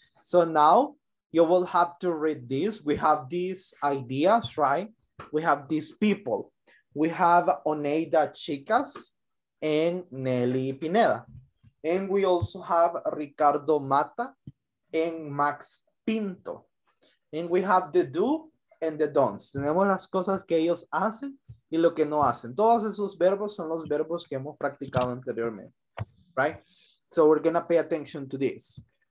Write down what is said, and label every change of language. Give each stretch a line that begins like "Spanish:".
English: So now you will have to read this. We have these ideas, right? We have these people. We have Oneida Chicas and Nelly Pineda. And we also have Ricardo Mata and Max Pinto. And we have the do and the don'ts.
Spanish: Tenemos las cosas que ellos hacen y lo que no hacen. Todos esos verbos son los verbos que hemos practicado anteriormente.
English: Right? So we're going to pay attention to this.